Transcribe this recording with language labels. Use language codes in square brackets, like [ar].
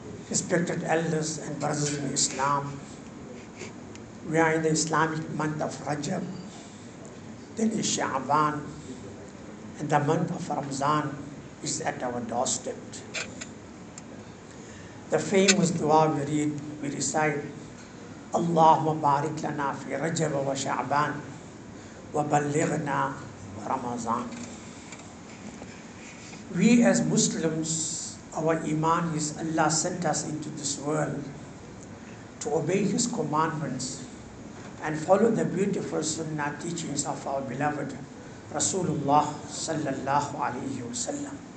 [en] Respected elders and brothers in Islam, we are in the Islamic month of Rajab, then is Sha'ban, and the month of Ramzan is at our doorstep. The famous dua we read, we recite, [ar] اللهم بارك لنا في رجب وشعبان وبلغنا رمضان. [en] We as Muslims, our iman is Allah sent us into this world to obey His commandments and follow the beautiful sunnah teachings of our beloved Rasulullah sallallahu alayhi wa sallam.